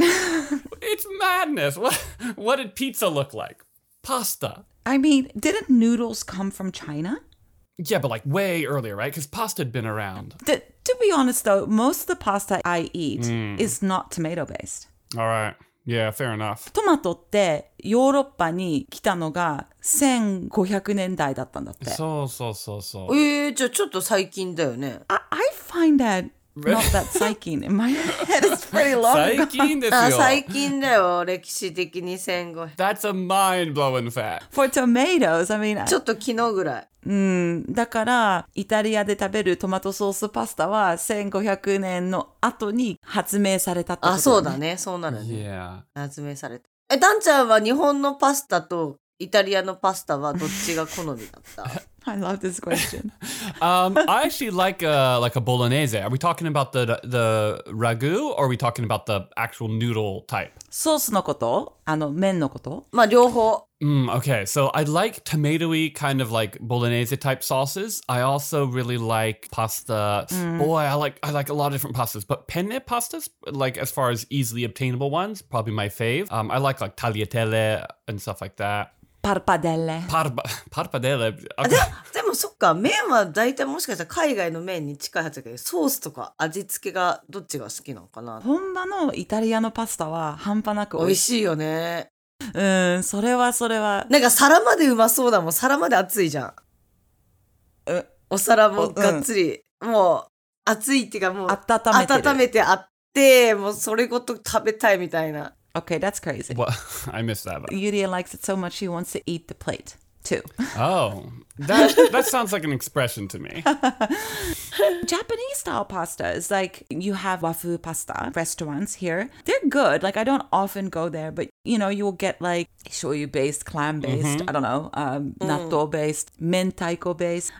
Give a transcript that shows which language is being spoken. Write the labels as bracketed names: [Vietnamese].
[English] It's madness. What did pizza look like? Pasta. I mean, didn't noodles come from China? Yeah, but like way earlier, right? Because pasta had been around. To be honest, though, most of the pasta I eat is not tomato-based. All right. Yeah, fair enough. [Japanese] トマトってヨーロッパに来たのが1500年代だったんだって。そうそうそうそう。じゃあちょっと最近だよね。 [English] I find that Not that 最近.My head is pretty long. [Japanese] 最近ですよ。最近だよ。歴史的に戦後。 [English] That's a mind-blowing fact. For tomatoes, I mean... [Japanese] ちょっと昨日ぐらい。だから、イタリアで食べるトマトソースパスタは1500年の後に発明されたってことだね。あ、そうだね。そうなのね。 [English] Yeah. [Japanese] 発明された。え、ダンちゃんは日本のパスタとイタリアのパスタはどっちが好みだった? [English] I love this question. I actually like a bolognese. Are we talking about the ragu or are we talking about the actual noodle type? [Japanese] ソースのこと?あの、麺のこと? まあ、両方。 [English] Okay, so I like tomato-y kind of like bolognese type sauces. I also really like pasta. Boy, I like a lot of different pastas. But penne pastas, like as far as easily obtainable ones, probably my fave. I like tagliatelle and stuff like that. [Japanese] パルパデレ。でもそっか、麺は大体もしかしたら海外の麺に近いはずだけど、ソースとか味付けがどっちが好きなのかな。本場のイタリアのパスタは半端なく美味しいよね。それはそれは。なんか皿までうまそうだもん。皿まで熱いじゃん。お皿もがっつり、もう熱いっていうかもう温めてあって、もうそれごと食べたいみたいな。 [English] Okay, that's crazy. Well, I miss that. Yurie likes it so much, she wants to eat the plate, too. Oh, that sounds like an expression to me. Japanese-style pasta is like, you have wafu pasta restaurants here. They're good. Like, I don't often go there, but, you know, you will get, like, shoyu-based, clam-based, I don't know, natto-based, mentaiko-based.